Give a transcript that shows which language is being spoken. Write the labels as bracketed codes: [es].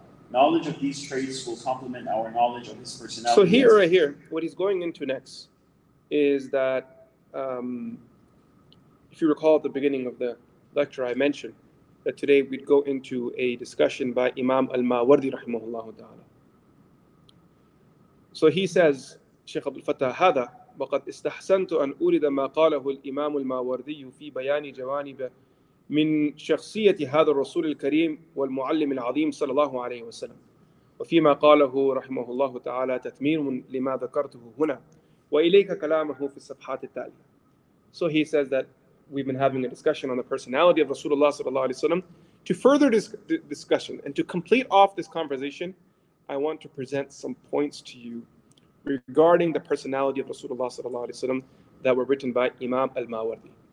[en] Knowledge of these traits will complement our knowledge of his personality. So here, right here, what he's going into next is that, if you recall at the beginning of the lecture, I mentioned that today we'd go into a discussion by Imam Al-Mawardi rahimahullah ta'ala. So he says, [ar] Shaykh Abdul Fattah, هذا وقد استحسنت أن أورد ما قاله الإمام الماوردي في بيان جوانب من شخصية هذا الرسول الكريم والمعلم العظيم صلى الله عليه وسلم وفيما قاله رحمه الله تعالى تتميم لما ذكرته هنا وإليك كلامه في الصفحات التالية. [en] So he says that we've been having a discussion on the personality of Rasulullah sallallahu alaihi wasallam. To further this discussion and to complete off this conversation, I want to present some points to you regarding the personality of Rasulullah sallallahu alaihi wasallam that were written by Imam Al-Mawardi.